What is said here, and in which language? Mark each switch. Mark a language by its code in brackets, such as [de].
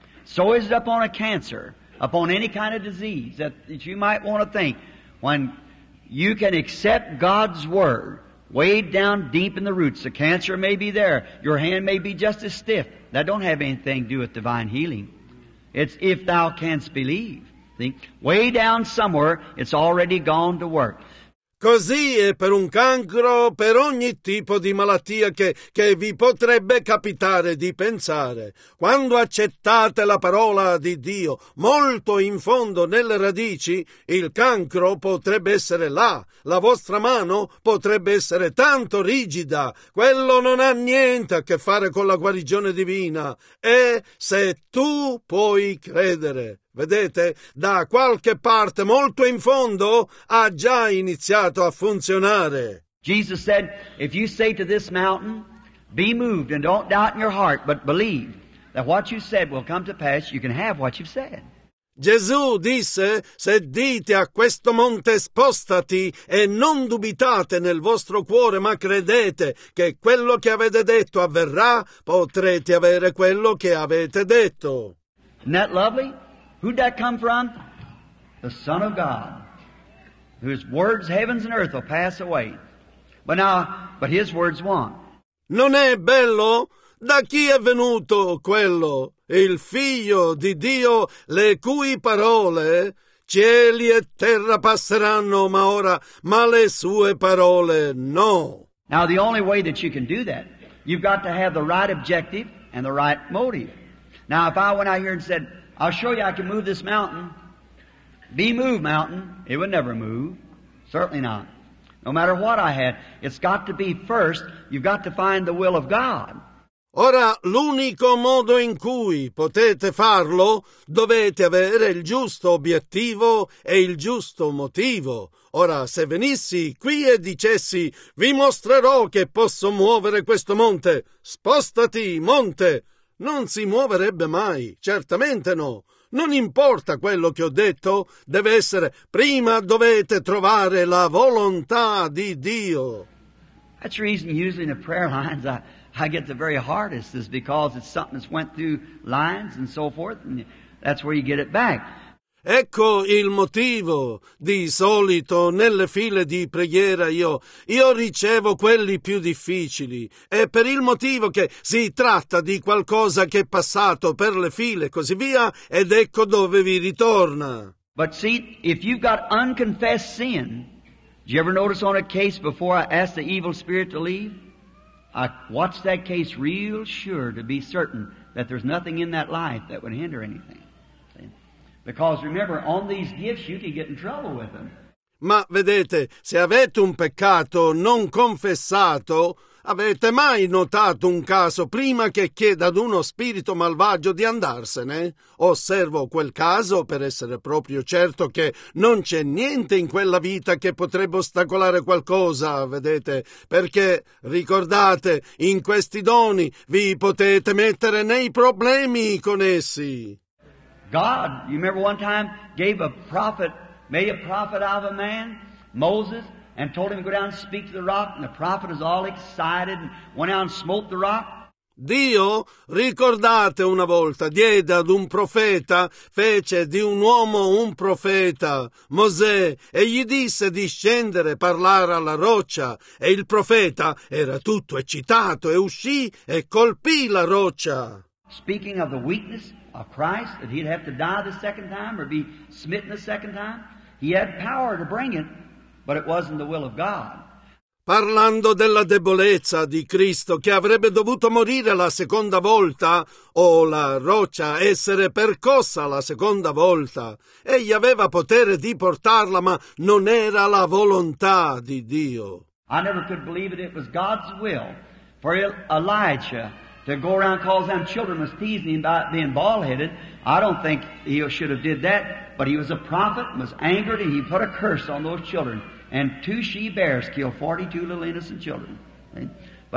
[en] So is it upon a cancer, upon any kind of disease that you might want to think, when you can accept God's word, way down deep in the roots, the cancer may be there. Your hand may be just as stiff. That don't have anything to do with divine healing. It's if thou canst believe. See? Way down somewhere, it's already gone to work. [it] Così è per un cancro, per ogni tipo di malattia che vi potrebbe capitare di pensare. Quando accettate la parola di Dio, molto in fondo nelle radici, il cancro potrebbe essere là, la vostra mano potrebbe essere tanto rigida. Quello non ha niente a che fare con la guarigione divina. È se tu puoi credere. Vedete, da qualche parte, molto in fondo, ha già iniziato a funzionare. [en] Jesus said, if you say to this mountain, be moved and don't doubt in your heart, but believe that what you said will come to pass, you can have what you've said. [it] Gesù disse, se dite a questo monte spostati e non dubitate nel vostro cuore, ma credete che quello che avete detto avverrà, potrete avere quello che avete detto. [en] Isn't that lovely? Who'd that come from? The Son of God, whose words heavens and earth will pass away. But his words won't. [it] Non è bello? Da chi è venuto quello? Il Figlio di Dio, le cui parole, cieli e terra passeranno, ma ora, ma le sue parole, no. [en] Now, the only way that you can do that, you've got to have the right objective and the right motive. Now, if I went out here and said, I'll show you I can move this mountain. Be moved, mountain. It would never move. Certainly not. No matter what I had, it's got to be first. You've got to find the will of God. [it] Ora, l'unico modo in cui potete farlo, dovete avere il giusto obiettivo e il giusto motivo. Ora, se venissi qui e dicessi, vi mostrerò che posso muovere questo monte. Spostati, monte! Non si muoverebbe mai, certamente no. Non importa quello che ho detto, deve essere, prima dovete trovare la volontà di Dio. [en] That's the reason usually in the prayer lines I get the very hardest is because it's something that's went through lines and so forth, and that's where you get it back. [it] Ecco il motivo. Di solito nelle file di preghiera io ricevo quelli più difficili. E per il motivo che si tratta di qualcosa che è passato per le file e così via, ed ecco dove vi ritorna. [en] But see, if you've got unconfessed sin, did you ever notice on a case before I asked the evil spirit to leave? I watched that case real sure to be certain that there's nothing in that life that would hinder anything. Because remember, on these gifts you can get in trouble with them. [it] Ma vedete, se avete un peccato non confessato, avete mai notato un caso prima che chieda ad uno spirito malvagio di andarsene? Osservo quel caso per essere proprio certo che non c'è niente in quella vita che potrebbe ostacolare qualcosa, vedete? Perché, ricordate, in questi doni vi potete mettere nei problemi con essi. [en] God, you remember one time, gave a prophet, made a prophet out of a man, Moses, and told him to go down and speak to the rock, and the prophet was all excited and went out and smote the rock. [it] Dio, ricordate una volta, diede ad un profeta, fece di un uomo un profeta, Mosè, e gli disse di scendere, parlare alla roccia, e il profeta era tutto eccitato, e uscì e colpì la roccia. [en] Speaking of the weakness of Christ, that he'd have to die the second time or be smitten the second time. He had power to bring it, but it wasn't the will of God. [it] Parlando della debolezza di Cristo, che avrebbe dovuto morire la seconda volta, o la roccia essere percossa la seconda volta, egli aveva potere di portarla, ma non era la volontà di Dio. [en] I never could believe it. It was God's will for Elijah to go around and call them children was teasing him about being bald-headed. I don't think he should have did that, but he was a prophet and was angered, and he put a curse on those children. And two she-bears killed 42 little innocent children. But